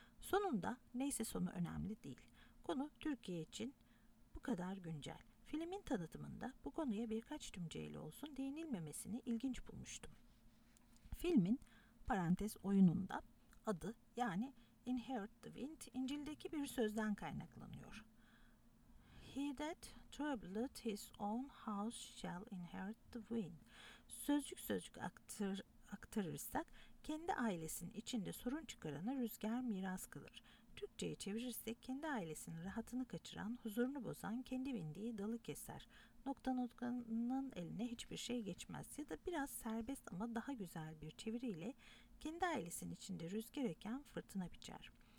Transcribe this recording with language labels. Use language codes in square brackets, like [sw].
[tr] Sonunda neyse sonu önemli değil. Konu Türkiye için bu kadar güncel. Filmin tanıtımında bu konuya birkaç cümleyle olsun değinilmemesini ilginç bulmuştum. Filmin parantez oyununda adı, yani Inherit the Wind, İncil'deki bir sözden kaynaklanıyor. [en] He that troubled his own house shall inherit the wind. [tr] Sözcük aktarırsak, kendi ailesinin içinde sorun çıkarana rüzgar miras kalır. Türkçe'ye çevirirsek, kendi ailesinin rahatını kaçıran, huzurunu bozan, kendi bindiği dalı keser. Nokta noktanın eline hiçbir şey geçmez. Ya da biraz serbest ama daha güzel bir çeviriyle, kendi ailesinin içinde rüzgar eken fırtına biçer.